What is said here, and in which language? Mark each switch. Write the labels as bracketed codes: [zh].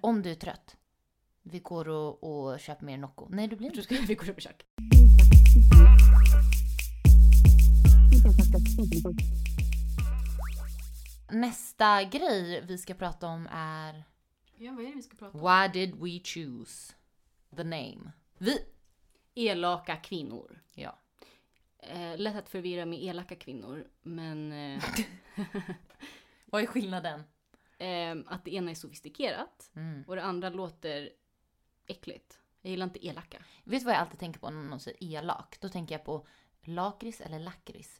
[sv] Om du är trött, vi går och köper mer Nocco. Nej, du blir inte. Vi går och försöker. Nästa grej vi ska prata om är... Ja, vad är det vi ska prata om? [en] Why did we choose the name? [sv] Vi... Elaka kvinnor. Ja. Lätt att förvirra med elaka kvinnor, men... Vad är skillnaden? Att det ena är sofistikerat och det andra låter äckligt. Jag gillar inte elaka. Vet du vad jag alltid tänker på när någon säger elak? Då tänker jag på lakris eller lakris.